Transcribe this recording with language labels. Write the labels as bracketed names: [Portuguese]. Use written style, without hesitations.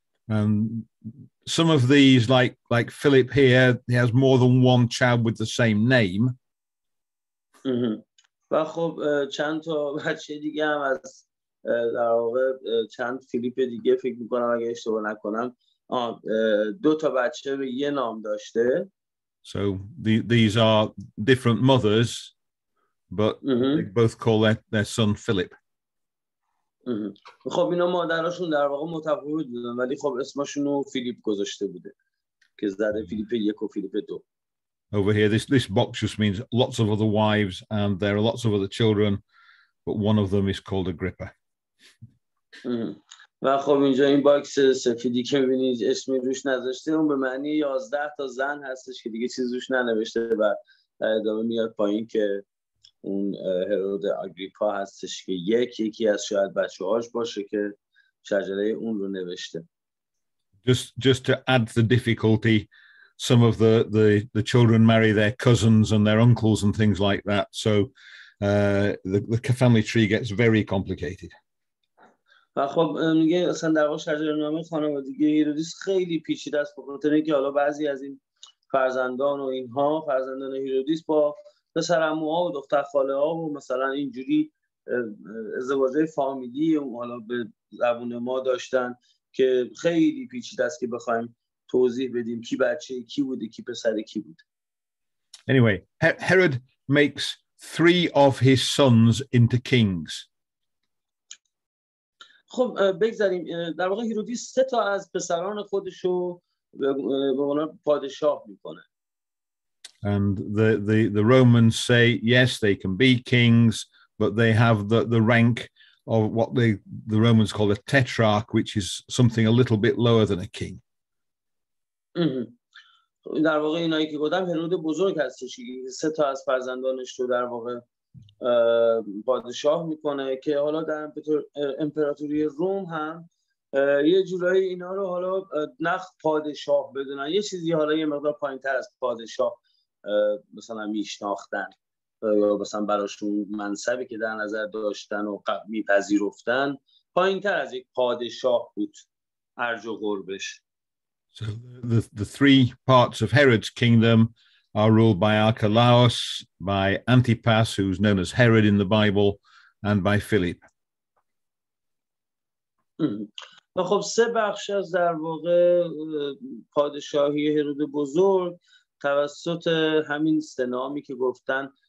[English] And some of these, like Philip here, he has more than one child with the same name. [Persian] و خب چند تا بچه دیگه هم از در واقع چند فیلیپ دیگه فکر میکنم اگه اشتباه نکنم دو تا بچه به یه نام داشته. [English] So these are different mothers, but they both call their son Philip. [Persian] خب اینا مادرشون در واقع متفاوت بودن، ولی خب اسمشون رو فیلیپ گذاشته بوده که زده فیلیپ یک و فیلیپ دو. [English] Over here, this box just means lots of other wives, and there are lots of other children, but one of them is called Agrippa. [Persian] و خب اینجا این باکس سفیدی که می‌بینید اسمی روش نذاشته، اون به معنی 11 تا زن هستش که دیگه چیز روش ننوشته، و ادامه میاد پایین که اون هرود آگریپا هستش که یکی از شاید بچه‌هاش باشه که شجره اون رو نوشته. [English] Just to add the difficulty, some of the children marry their cousins and their uncles and things like that, so the family tree gets very complicated. [Persian] و خب میگه اصلا در واقع شجره نامه خانوادگی هیرودیس خیلی پیچیده است، بخاطر اینکه حالا بعضی از این فرزندان و اینها فرزندان هیرودیس با پسر عموها و دختر خاله ها و مثلا اینجوری ازدواج فامیلی حالا به زبون ما داشتن که خیلی پیچیده است که بخوایم توضیح بدیم کی بچه کی بوده، کی پسر کی بود. [English] Anyway, Herod makes three of his sons into kings. [Persian] خب بگذاریم در واقع هیرودیس سه تا از پسران خودشو به عنوان پادشاه میکنه. [English] And the Romans say yes, they can be kings, but they have the rank of what the Romans call a tetrarch, which is something a little bit lower than a king. [Persian] در واقع اینایی که گفتم هرود بزرگ هستش، سه تا از فرزندانش رو در واقع پادشاه میکنه که حالا در امپراتوری روم هم یه جورایی اینا رو حالا نخ پادشاه بدونن، یه چیزی حالا یه مقدار پایین تر از پادشاه مثلا میشناختن یا مثلا براشون منصبی که در نظر داشتن و میپذیرفتن پایین تر از یک پادشاه بود ارج و قربش. [English] So the three parts of Herod's kingdom are ruled by Archelaus, by Antipas, who's known as Herod in the Bible, and by Philip. [Persian] خب سه بخش از در واقع پادشاهی هرود بزرگ توسط همین سه نامی که گفتن.